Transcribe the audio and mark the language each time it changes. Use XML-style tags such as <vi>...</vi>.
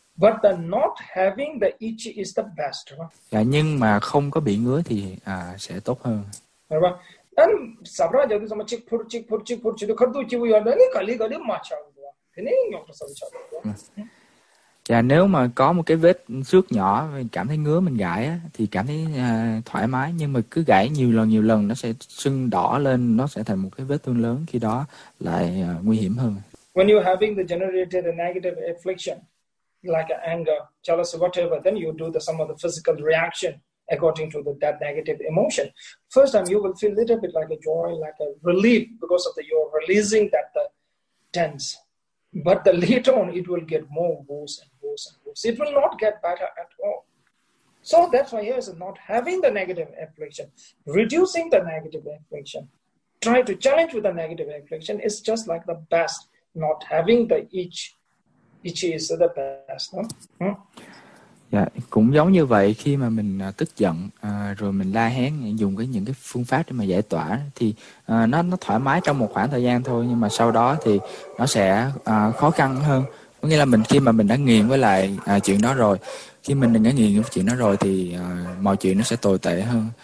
<en>But the not having the itch is the best.</en> <vi>Dạ, nhưng mà không có bị ngứa thì sẽ tốt hơn. Then sabra jadi sama chik phur chik phur chik phur chik khar du chi yo da ni kali kali ma cha do thế ni nhok sa cha. Dạ, nếu mà có một cái vết xước nhỏ mình cảm thấy ngứa, mình gãi á, thì cảm thấy thoải mái, nhưng mà cứ gãi nhiều lần nó sẽ sưng đỏ lên, nó sẽ thành một cái vết thương lớn, khi đó lại nguy hiểm hơn.</vi> <en>When you having the generated a negative affliction like anger, jealousy, whatever, then you do some of the physical reaction according to that negative emotion. First time you will feel a little bit like a joy, like a relief because of you're releasing that the tense. But the later on, it will get more worse. It will not get better at all. So that's why here is not having the negative affliction, reducing the negative affliction, try to challenge with the negative affliction is just like the best. Not having the itch is the best. No? Yeah.</en> <vi>Cũng giống như vậy, khi mà mình tức giận rồi mình la hét, dùng cái những cái phương pháp để mà giải tỏa thì nó thoải mái trong một khoảng thời gian thôi, nhưng mà sau đó thì nó sẽ khó khăn hơn. Có nghĩa là mình khi mà mình đã nghiện với lại chuyện đó rồi, khi mình đã nghiện với chuyện đó rồi thì mọi chuyện nó sẽ tồi tệ hơn.</vi>